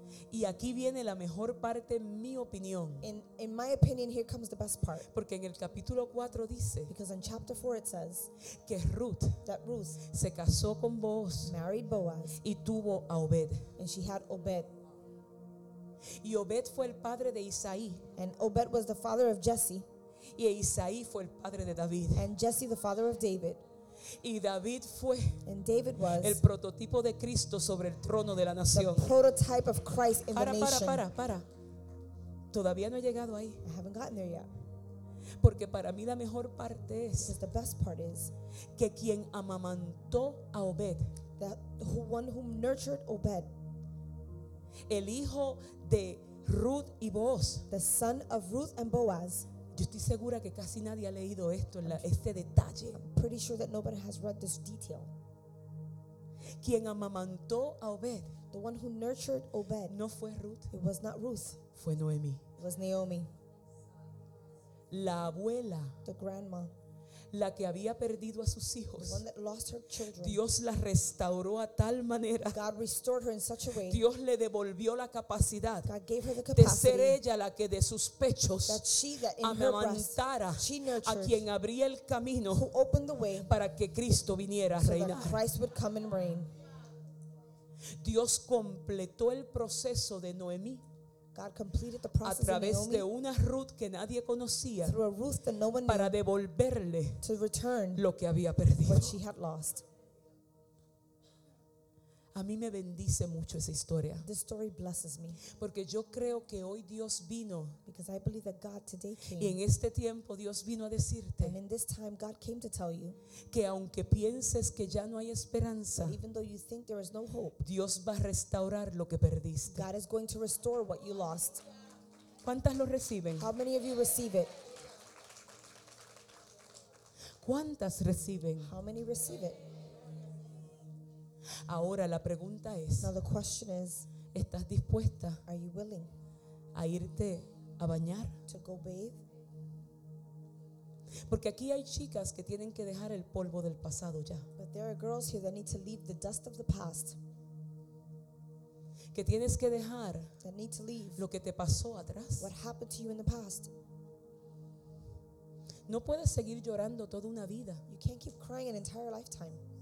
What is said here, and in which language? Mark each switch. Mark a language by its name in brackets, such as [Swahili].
[Spanish] Y aquí viene la mejor parte, en mi opinión. [English] In my opinion, here comes the best part. [Spanish] Porque en el capítulo 4 dice, [English] because in chapter 4 it says [Spanish] que Ruth, [English] that Ruth [Spanish] se casó con Boaz, [English] married Boaz, [Spanish] y tuvo a Obed. [English] And she had Obed. [Spanish] Y Obed fue el padre de Isaí. [English] And Obed was the father of Jesse. [Spanish] Y Isaí fue el padre de David. [English] And Jesse the father of David. [Spanish] Y David fue, [English] and David was, [Spanish] el prototipo de Cristo sobre el trono de la nación. [English] The prototype of Christ in [Spanish] para, [English] the nation. [Spanish] Para. Todavía no he llegado ahí. [English] I haven't gotten there yet. [Spanish] Porque para mí la mejor parte es, [English] because the best part is, [Spanish] que quien amamantó a Obed, [English] that who, one whom nurtured Obed, [Spanish] el hijo de Ruth y Boaz, [English] the son of Ruth and Boaz. [Spanish] Yo estoy segura que casi nadie ha leído esto, este detalle. [English] I'm pretty sure that nobody has read this detail. [Spanish] Quien amamantó a Obed, [English] the one who nurtured Obed, [Spanish] no fue Ruth. [English] It was not Ruth. [Spanish] Fue Noemi. [English] It was Naomi. [Spanish] La abuela, [English] the grandma, [Spanish] la que había perdido a sus hijos, [English] the one that lost her children, [Spanish] Dios la restauró a tal manera, [English] God restored her in such a way, [Spanish] Dios le devolvió la capacidad, [English] God gave her the capacity, [Spanish] de ser ella la que de sus pechos amamantara a quien abría el camino, [English] who opened the way, [Spanish] para que Cristo viniera [English] so [Spanish] a reinar, [English] that Christ would come and reign. [Spanish] Dios completó el proceso de Noemí. [English] God completed the process [Spanish] a través [English] of Naomi, [Spanish] de una Ruth que nadie conocía, [English] through a Ruth that no one knew, [Spanish] para devolverle [English] to return [Spanish] lo que había perdido, [English] what she had lost. [Spanish] A mí me bendice mucho esa historia. [English] This story blesses me. [Spanish] Porque yo creo que hoy Dios vino. [English] Because I believe that God today came. [Spanish] Y en este tiempo Dios vino a decirte. [English] And in this time God came to tell you. [Spanish] Que aunque pienses que ya no hay esperanza, [English] even though you think there is no hope, [Spanish] Dios va a restaurar lo que perdiste. [English] God is going to restore what you lost. [Spanish] ¿Cuántas lo reciben? [English] How many of you receive it? [Spanish] ¿Cuántas reciben? [English] How many receive it? [Spanish] Ahora la pregunta es, [English] now the question is, [Spanish] ¿estás dispuesta, [English] are you willing, [Spanish] a irte a bañar? [English] To go bathe? [Spanish] Porque aquí hay chicas que tienen que dejar el polvo del pasado ya. [English] But there are girls here that need to leave the dust of the past. [Spanish] Que tienes que dejar, [English] that need to leave, [Spanish] lo que te pasó atrás. [English] What happened to you in the past? [Spanish] No puedes seguir llorando toda una vida. [English] You can't keep crying an entire lifetime.